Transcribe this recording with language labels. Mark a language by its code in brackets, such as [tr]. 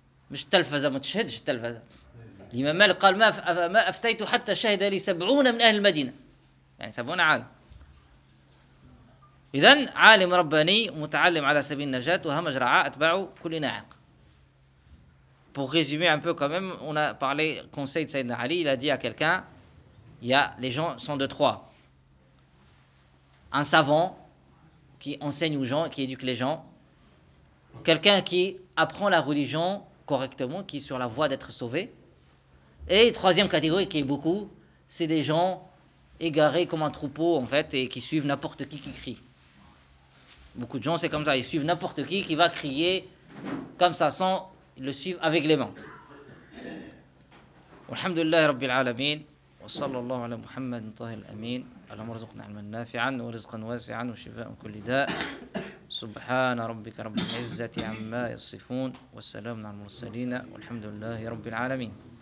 [ar] مش تلفزة ما تشهدش التلفزة. الإمام مالك قال ما أفتيت حتى شهد لي 70 من أهل المدينة، يعني 70 عالم. إذن عالم رباني متعلم على سبيل النجاة وهمج رعاء أتباعه كل ناعق. [fr] Pour résumer un peu quand même, on a parlé conseil de Sayyidina Ali, il a dit à quelqu'un, il y a les gens sont de trois. Un savant qui enseigne aux gens, qui éduque les gens. Quelqu'un qui apprend la religion correctement, qui est sur la voie d'être sauvé. Et troisième catégorie qui est beaucoup, c'est des gens égarés comme un troupeau en fait et qui suivent n'importe qui crie. Beaucoup de gens c'est comme ça, ils suivent n'importe qui va crier comme ça sans le suivre avec les mains. [ar] Alhamdulillah Rabbil Alamin. وصلى الله على محمد طه الأمين اللهم ارزقنا علما نافعا ورزقا واسعا وشفاء كل داء سبحان ربك رب العزة عما يصفون والسلام على المرسلين والحمد لله رب العالمين